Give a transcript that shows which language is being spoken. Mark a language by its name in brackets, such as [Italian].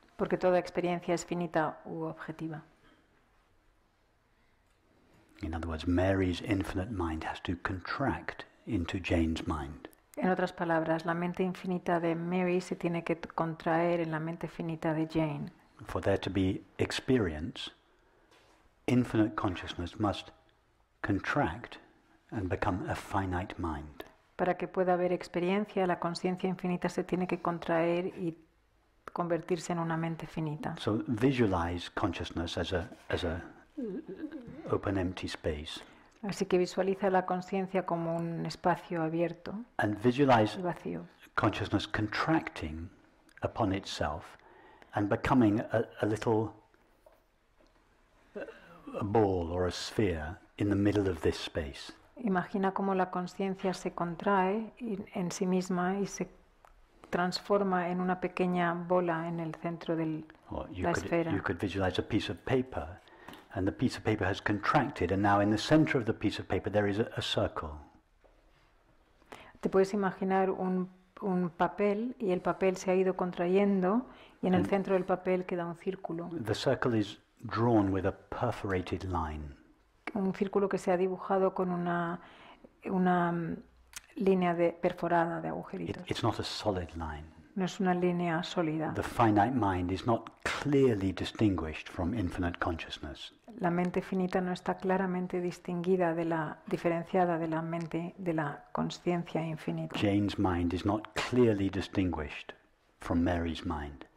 [Spanish] Porque toda experiencia es finita u objetiva. [English] In other words, Mary's infinite mind has to contract into Jane's mind. [Spanish] En otras palabras, la mente infinita de Mary se tiene que contraer en la mente finita de Jane. [English] For there to be experience, infinite consciousness must contract and become a finite mind. [Spanish] Para que pueda haber experiencia, la conciencia infinita se tiene que contraer y convertirse en una mente finita. [English] So visualize consciousness as a open empty space. [Spanish] Así que visualiza la conciencia como un espacio abierto. [English] And visualize vacío. Consciousness contracting upon itself and becoming a little a ball or a sphere in the middle of this space. [Spanish] Imagina cómo la conciencia se contrae en sí misma y se transforma en una pequeña bola en el centro de la esfera. [English] You could visualize a piece of paper, and the piece of paper has contracted, and now in the center of the piece of paper there is a circle. [Spanish] Te puedes imaginar un papel y el papel se ha ido contrayendo y en el centro del papel queda un círculo. [English] The circle is drawn with a perforated line. [Spanish] Un círculo que se ha dibujado con una línea perforada de agujeritos. [English] It's not a solid line. [Spanish] No es una línea sólida. [English] The finite mind is not clearly distinguished from infinite consciousness. [Spanish] La mente finita no está claramente distinguida de la diferenciada de la mente de la conciencia infinita. [English] Jane's mind is not clearly distinguished from Mary's mind.